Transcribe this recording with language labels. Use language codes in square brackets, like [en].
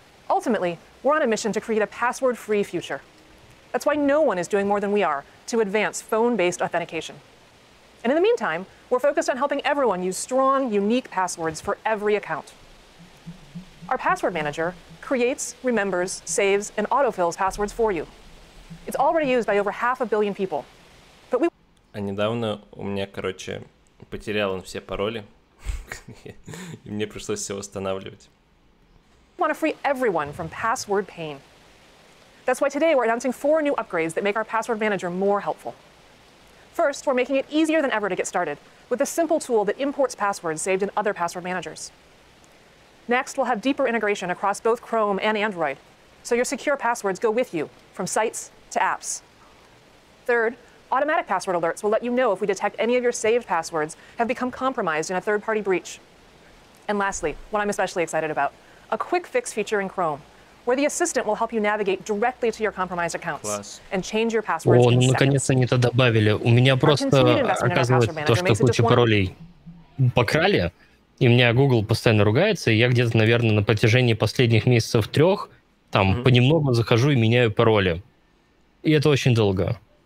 [en] Ultimately, we're on a mission to create a password-free future. That's why no one is doing more than we are to advance phone-based authentication. And in the meantime, we're focused on helping everyone use strong, unique passwords for every account. Our password manager creates, remembers, saves, and autofills passwords for you. It's already used by over 500 million people. But we... [ru] А недавно у меня, короче, потерял он все пароли, и мне пришлось все восстанавливать. [en] We want to free everyone from password pain. That's why today we're announcing 4 new upgrades that make our password manager more helpful. First, we're making it easier than ever to get started with a simple tool that imports passwords saved in other password managers. Next, we'll have deeper integration across both Chrome and Android, so your secure passwords go with you from sites to apps. Third, automatic password alerts will let you know if we detect any of your saved passwords have become compromised in a third-party breach. And lastly, what I'm especially excited about, a quick fix feature in Chrome, where the assistant will help you navigate directly to your compromised accounts. [ru] Класс. [en] And change your passwords. [ru] О, ну наконец-то они это добавили. У меня просто оказывается то, что кучу паролей покрали, и меня Google постоянно ругается, и я где-то, наверное, на протяжении последних месяцев 3 там понемногу захожу и меняю пароли. И это очень долго.